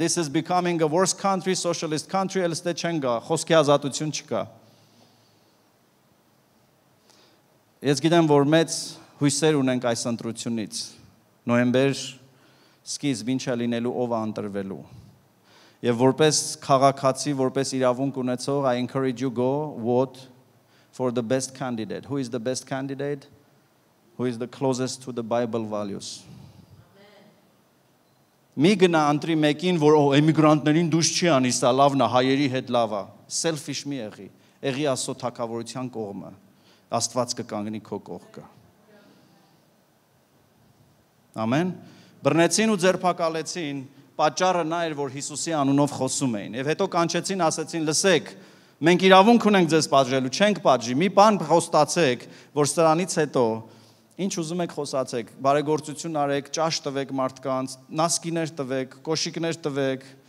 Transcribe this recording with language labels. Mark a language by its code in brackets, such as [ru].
[en] This is becoming a worse country, socialist country, else they [hy] չեն գա, խոսքի ազատություն չկա։ Ես գիտեմ, որ մեծ հույսեր ունենք այս ընտրությունից։ Նոեմբեր սկիզբ ինչ է լինելու, ով է ընտրվելու։ Եվ որպես քաղաքացի, որպես իրավունք ունեցող, [en] I encourage you go vote for the best candidate. Who is the best candidate? Who is the closest to the Bible values? [hy] Մի գնա ընտրի մեկին, որ օ էմիգրանտներին դուս չի անի, սա լավն է, հայերի հետ լավ է։ Selfish մի եղի, եղի Աստծո թակավորության կողմը։ Աստված կկանգնի քո կողքը։ Ամեն։ Բռնեցին ու ձերբակալեցին։ Պատճառը նա էր, որ Հիսուսի անունով խոսում էին։ Եվ հետո կանչեցին, ասացին, լսեք, մենք իրավունք ունենք ձեզ պատժելու, չենք պատժի, մի բան խոստացեք, որ սրանից հետո, ինչ ուզում եք խոսացեք, բարեգործություն արեք, ճաշ տվեք մարդկանց, նասկիներ տվեք, կոշիկներ տվեք,